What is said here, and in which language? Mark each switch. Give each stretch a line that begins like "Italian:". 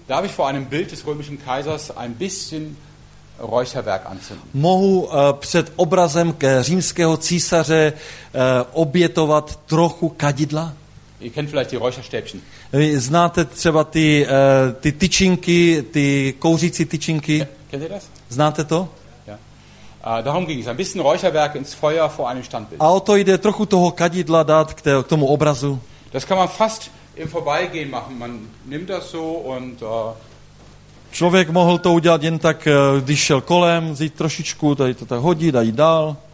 German: Darf ich vor einem Bild des römischen Kaisers ein bisschen Räucherwerk anzünden?
Czech: Mohu před obrazem ke římského císaře obětovat trochu kadidla?
German: Ihr kennt vielleicht die Räucherstäbchen.
Czech: Znáte třeba ty ty tyčinky, ty kouřící tyčinky?
German: Kennt ihr das?
Czech: Znáte to?
German: Darum ging es, ein bisschen Räucherwerk ins Feuer vor einem Standbild.
Czech: A o to jde trochu toho kadidla dát k tomu obrazu.
German: Das kann man fast im Vorbeigehen machen. Man nimmt das so und
Czech: Člověk mohl to udělat jen tak, když šel kolem, vzít trošičku, tady to tak hodit a jít dál.